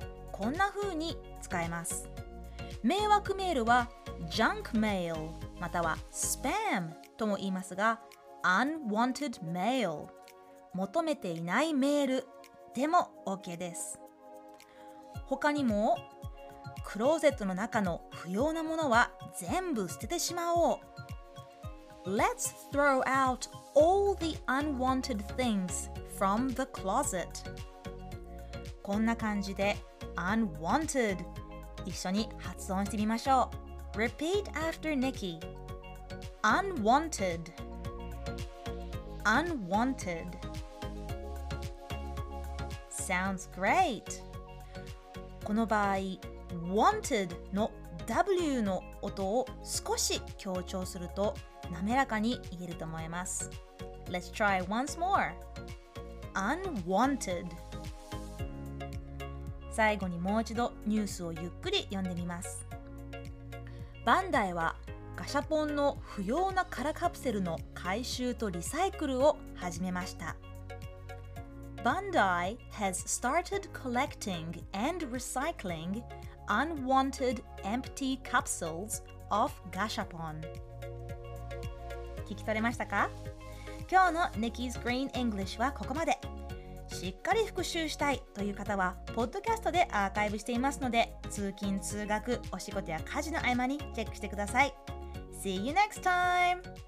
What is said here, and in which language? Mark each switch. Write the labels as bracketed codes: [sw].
[ja] こんな風に使えます。迷惑メールは junk mail または spam とも言いますが、 unwanted mail、 求めていないメールでも OK です。他にもクローゼットの中の不要なものは全部捨ててしまおう。 [en] Let's throw out all the unwanted things from the closet。 [ja] こんな感じで unwanted、一緒に発音してみましょう。 [en] Repeat after Nikki。 Unwanted、 Unwanted。 Sounds great。 [ja] この場合 Wanted の W の音を少し強調すると滑らかに言えると思います。 [en] Let's try once more。 Unwanted。 [ja] 最後にもう一度ニュースをゆっくり読んでみます。バンダイはガシャポンの不要な空カプセルの回収とリサイクルを始めました。 [en] バンダイ has started collecting and recycling unwanted empty capsules of ガシャポン。 [ja] 聞き取れましたか？今日の Nikki's Green English はここまで。しっかり復習したいという方はポッドキャストでアーカイブしていますので、通勤通学、お仕事や家事の合間にチェックしてください。 [en] See you next time!